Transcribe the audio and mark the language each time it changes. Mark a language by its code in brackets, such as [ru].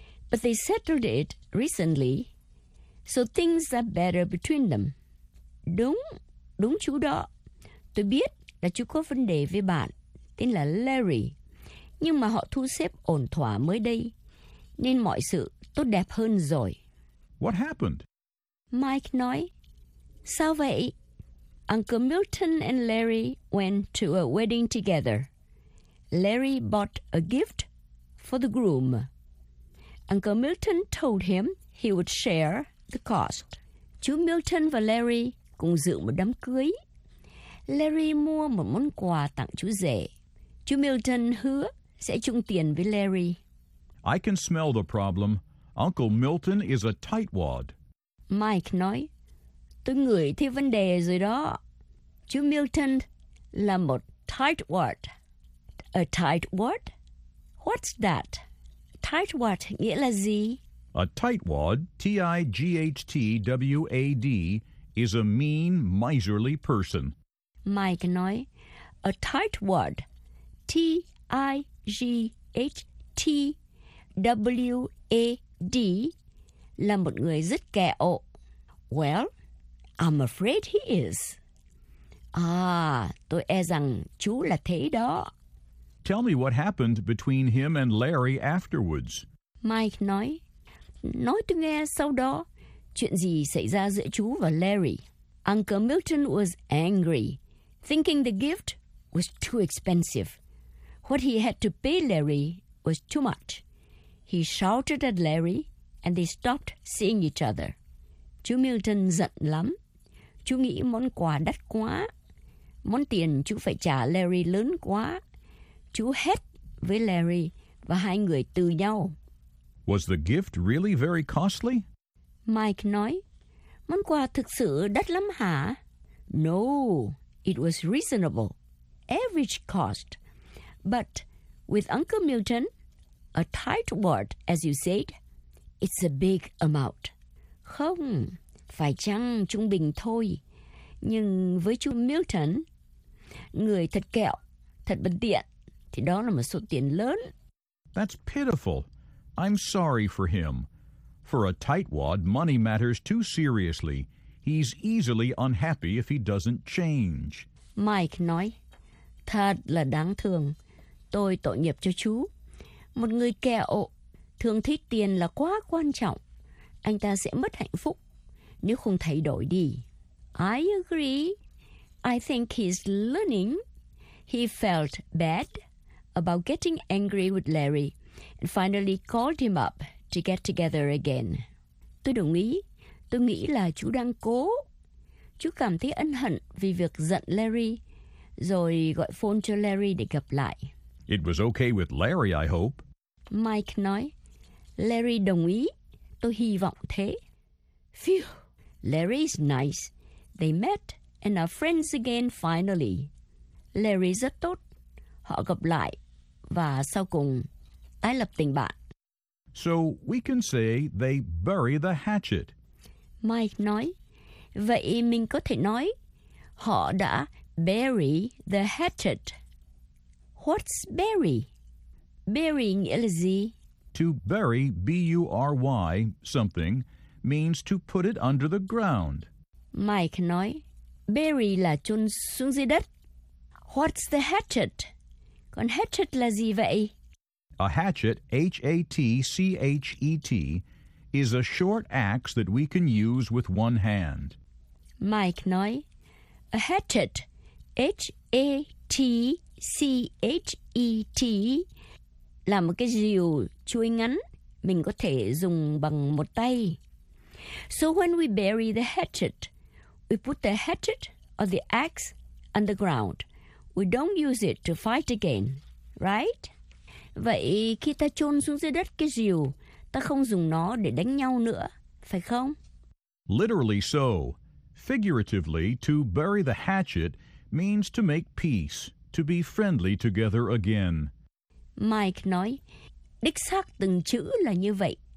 [en] But they settled it recently, so things are better between them. [vi] Đúng chú đó. Tôi biết là chú có vấn đề với bạn, tên là Larry. Nhưng mà họ thu xếp ổn thỏa mới đây, nên mọi sự tốt đẹp hơn rồi. [en] What happened? [vi] Mike nói, sao vậy? [en] Uncle Milton and Larry went to a wedding together. Larry bought a gift for the groom. Uncle Milton told him he would share the cost. [vi] Chú Milton và Larry cùng dự một đám cưới. Larry mua một món quà tặng chú rể. Chú Milton hứa sẽ chung tiền với Larry. [en] I can smell the problem. Uncle Milton is a tightwad. [vi] Mike nói, tôi ngửi thấy vấn đề rồi đó. Chú Milton là một tightwad. [en] A tightwad? What's that? [vi] Tightwad nghĩa là gì? [en] A tightwad, T-I-G-H-T-W-A-D, is a mean, miserly person. [vi] Mike nói, a tightwad, T-I-G-H-T-W-A-D, là một người rất kẹo. [en] Well, I'm afraid he is. [vi] Tôi e rằng chú là thế đó. [en] Tell me what happened between him and Larry afterwards. [vi] Mike nói, nói tôi nghe sau đó, chuyện gì xảy ra giữa chú và Larry? [en] Uncle Milton was angry, thinking the gift was too expensive. What he had to pay Larry was too much. He shouted at Larry, and they stopped seeing each other. [vi] Chú Milton giận lắm. Chú nghĩ món quà đắt quá. Món tiền chú phải trả Larry lớn quá. Chú hét với Larry và hai người từ nhau. [en] Was the gift really very costly? [vi] Mike nói, món quà thực sự đắt lắm hả? [en] No, it was reasonable. Average cost. But with Uncle Milton, a tight word, as you said, it's a big amount. [vi] Không, phải chăng trung bình thôi. Nhưng với chú Milton, người thật kẹo, thật bất tiện, thì đó là một số tiền lớn. [en] That's pitiful. I'm sorry for him. For a tightwad, money matters too seriously. He's easily unhappy if he doesn't change. [vi] Mike nói, thật là đáng thương. Tôi tội nghiệp cho chú. Một người kẹo thường thích tiền là quá quan trọng. Anh ta sẽ mất hạnh phúc nếu không thay đổi đi. [en] I agree. I think he's learning. He felt bad about getting angry with Larry and finally called him up to get together again. [vi] Tôi đồng ý. Tôi nghĩ là chú đang cố. Chú cảm thấy ân hận vì việc giận Larry, rồi gọi phone cho Larry để gặp lại. [en] It was okay with Larry, I hope. [vi] Mike nói, Larry đồng ý. Tôi hy vọng thế. [en] Phew, Larry's nice. They met and are friends again finally. [vi] Larry rất tốt. Họ gặp lại và sau cùng tái lập tình bạn. [en] So we can say they bury the hatchet. [vi] Mike nói, vậy mình có thể nói họ đã [en] bury the hatchet. What's bury? [vi] Bury nghĩa là gì? [en] To bury, B-U-R-Y, something, means to put it under the ground. [vi] Mike nói, bury là chôn xuống dưới đất. [en] What's the hatchet? [vi] Còn hatchet là gì vậy? [en] A hatchet, H-A-T-C-H-E-T, is a short axe that we can use with one hand. [vi] Mike nói, a hatchet, H-A-T-C-H-E-T, là một cái rìu chuôi ngắn mình có thể dùng bằng một tay. [en] So when we bury the hatchet, we put the hatchet or the axe underground. We don't use it to fight again, right? [vi] Vậy khi ta chôn xuống dưới đất cái rìu, ta không dùng nó để đánh nhau nữa, phải không? [en] Literally so. Figuratively, to bury the hatchet means to make peace, to be friendly together again. [vi] Mike nói, đích xác từng chữ là như vậy.